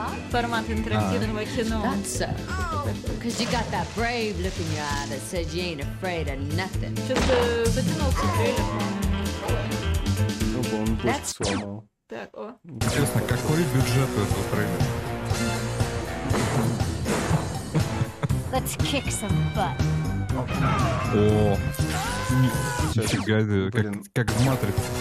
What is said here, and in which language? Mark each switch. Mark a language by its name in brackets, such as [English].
[Russian] Формат интерактивного кино. [English] Because you got that brave look in your eye that says you ain't afraid of nothing. [Russian] Что-то затянулся трейлер. Ну, он пусть сломал. Так, о. Интересно, какой бюджет у этого трейлера? [English] Let's kick some butt. [Russian] О, нифига, как в Матрице.